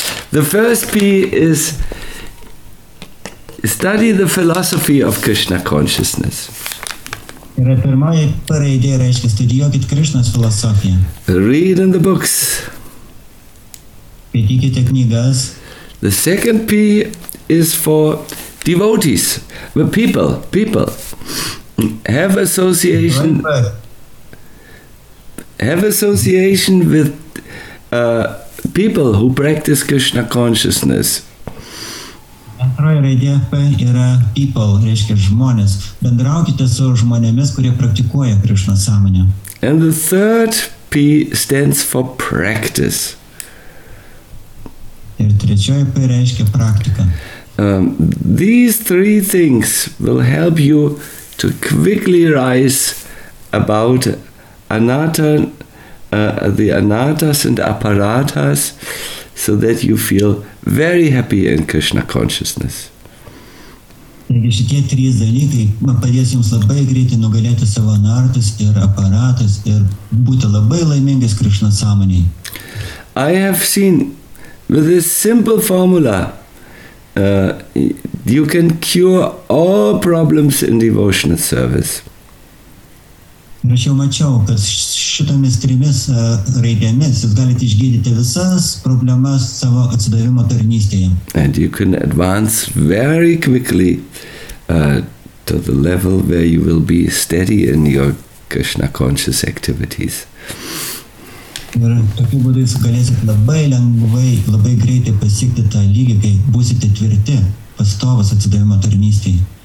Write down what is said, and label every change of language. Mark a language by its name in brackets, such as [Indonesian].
[English] The first P is study the philosophy of Krishna consciousness. [Lithuanian] Yra pirmoji pareidė, reiškia, studijuokit Krishnas filosofiją. [English] Read in the books. [Lithuanian] Pėdykite knygas. [English] The second P is for devotees, the people. Have association with people who practice Krishna consciousness. [Lithuanian] Antroji raidė P yra people, reiškia žmonės. Bendraukite su žmonėmis, kurie praktikuoja Krishna sąmonę. [English] And the third P stands for practice. [Lithuanian] Ir trečioji P reiškia praktika. [English] These three things will help you to quickly rise about the anattas and aparatas, so that you feel very happy in Krishna consciousness. [Lithuanian] Taigi šitie trys dalykai padės jums labai greitai nugalėti savo anattas ir aparatas ir būti labai laimingas Krishna sąmonėj. [English] I have seen with this simple formula you can cure all problems in devotional service. [Lithuanian] Aš jau mačiau, kad šitomis trimis raidėmis jūs galite išgydyti visas problemas savo atsidavimo tarnystėje. [English] And you can advance very quickly to the level where you will be steady in your Krishna conscious activities. [Lithuanian] Ir tokiu būdu jūs galėsite labai lengvai, labai greitai pasiekti tą lygį, kai būsite tvirti, pastovus atsidavimo tarnystėje.